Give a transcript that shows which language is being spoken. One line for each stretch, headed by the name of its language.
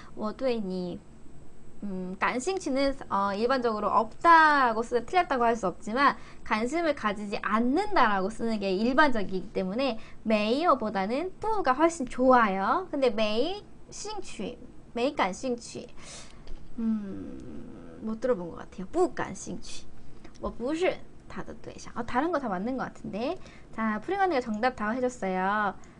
Korean: 워 대니 관심치는 일반적으로 없다고 쓰는 틀렸다고 할 수 없지만 관심을 가지지 않는다라고 쓰는 게 일반적이기 때문에 没有보다는 不가 훨씬 좋아요. 근데
Chinese: 没兴趣, 没感兴趣,
Korean: 못 들어본 것 같아요.
Chinese: 不感兴趣, 我不是 他的对象.
Korean: 다른 거 다 맞는 것 같은데. 자, 프리언니가 정답 다 해줬어요.